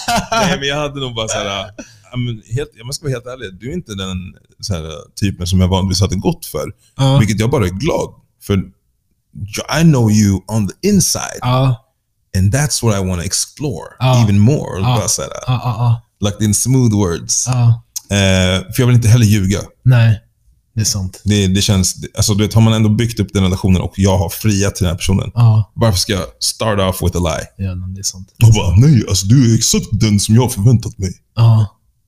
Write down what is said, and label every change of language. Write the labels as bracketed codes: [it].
[sv] Nej, men jag hade nog bara så här, jag måste vara helt ärlig, du är inte den så här typen som jag vanligtvis hade gått för, vilket jag bara är glad för. [en] I know you on the inside, and that's what I want to explore even more. Like in smooth words. [sv] För jag vill inte heller ljuga. Nej, det är sant. Det känns, alltså du vet, har man ändå byggt upp den relationen och jag har friat till den här personen. Varför ska jag [en] start off with a lie? [sv] Ja, det är sant. Då bara, nej, alltså du är exakt den som jag har förväntat mig. Ja.